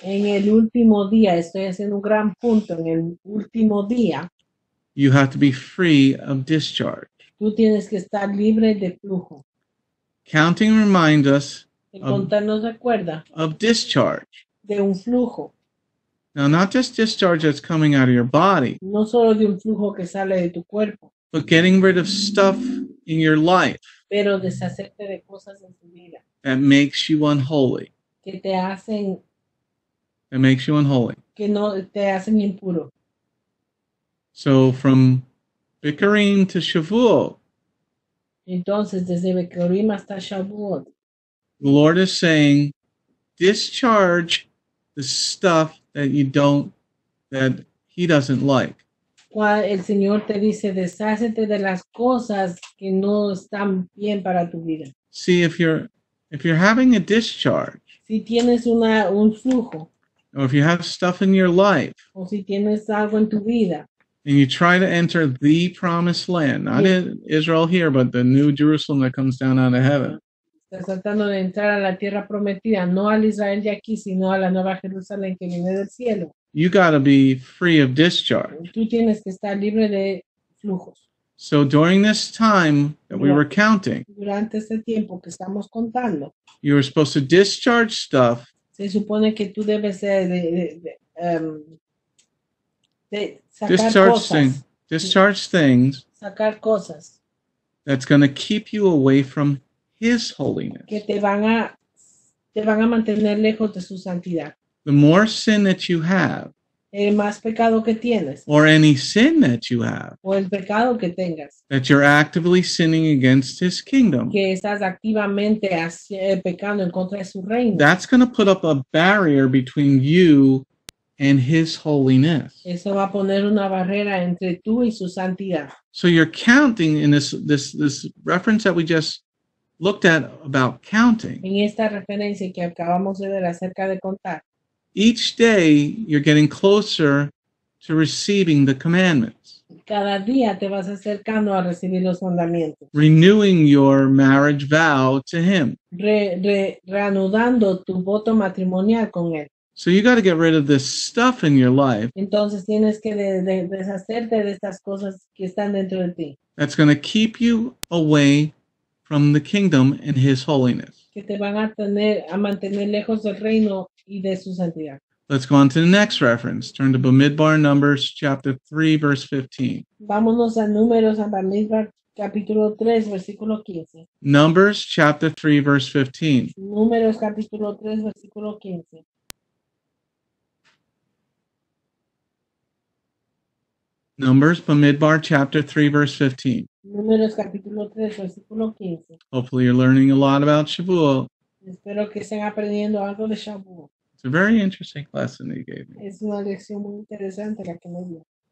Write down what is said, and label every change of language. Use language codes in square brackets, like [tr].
[es] En el último día. Estoy haciendo un gran punto. En el último día. [en] You have to be free of discharge. [es] Tú tienes que estar libre de flujo. [en] Counting reminds us. [es] El contar nos recuerda. [en] Of discharge. [es] De un flujo. [en] Now, not just discharge that's coming out of your body. [es] No solo de un flujo que sale de tu cuerpo. [en] But getting rid of stuff in your life. [es] Pero deshacerte de cosas en tu vida. [en] That makes you unholy. [es] Que te hacen. [en] That makes you unholy. [es] Que no te hacen impuro. [en] So, from Bikurim to Shavuot. [es] Entonces, desde Bikurim hasta Shavuot. [en] The Lord is saying, discharge the stuff that you don't, that he doesn't like. [es] Cuando el Señor te dice, deshácete de las cosas que no están bien para tu vida. [en] See, if you're having a discharge. [es] Si tienes un flujo. [en] Or if you have stuff in your life. [es] O si tienes algo en tu vida. [en] And you try to enter the promised land. Not yes. Israel here, but the new Jerusalem that comes down out of heaven. [es] Estás tratando de entrar a la tierra prometida, no al Israel de aquí, sino a la nueva Jerusalén que viene del cielo. [en] You gotta be free of discharge. [es] Tú tienes que estar libre de flujos. [en] So during this time that we were counting, [es] durante este tiempo que estamos contando, [en] you were supposed to discharge stuff. [es] Se supone que tú debes ser de sacar [en] discharge [es] cosas. [en] Discharge things. [es] Sacar cosas. [en] That's gonna keep you away from His holiness. [es] Que te van a mantener lejos de su santidad. [en] The more sin that you have. [es] El más pecado que tienes. [en] Or any sin that you have. [es] O el pecado que tengas. [en] That you're actively sinning against his kingdom. [es] Que estás activamente pecando en contra de su reino. [en] That's going to put up a barrier between you and his holiness. [es] Eso va a poner una barrera entre tú y su santidad. [en] So you're counting in this reference that we just looked at about counting. [es] En esta referencia que acabamos de ver acerca de contar. [en] Each day you're getting closer to receiving the commandments. [es] Cada día te vas acercando a recibir los mandamientos. [en] Renewing your marriage vow to him. [es] Reanudando tu voto matrimonial con él. [en] So you got to get rid of this stuff in your life. [es] Entonces tienes que deshacerte de estas cosas que están dentro de ti. [en] That's going to keep you away from the kingdom and his holiness. [es] que te van a tener a mantener lejos del reino y de su santidad. [en] Let's go on to the next reference. Turn to Bamidbar, Numbers, chapter 3, verse 15. [es] Vámonos a Números, a Bamidbar, capítulo 3, versículo 15. [en] Numbers, chapter 3, verse 15. [es] Números, capítulo 3, versículo 15. [en] Numbers, Bamidbar, chapter 3, verse 15. [es] Números, capítulo 3, versículo 15. [en] Hopefully you're learning a lot about Shavuot. [es] Espero que estén aprendiendo algo de Shavuot. [en] It's a very interesting lesson that you gave me. [es] Es una lección muy interesante la que me dio.